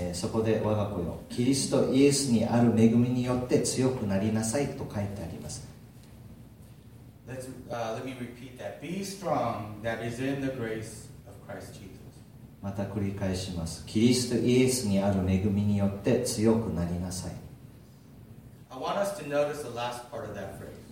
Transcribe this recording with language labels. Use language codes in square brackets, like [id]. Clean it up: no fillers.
[ja] そこで我が子よ、キリストイエスにある恵みによって強くなりなさいと書いてあります。 [en] Let me repeat that. Be strong that is in the grace of Christ Jesus. [ja] また繰り返します。キリストイエスにある恵みによって強くなりなさい。 [en] I want us to notice the last part of that phrase.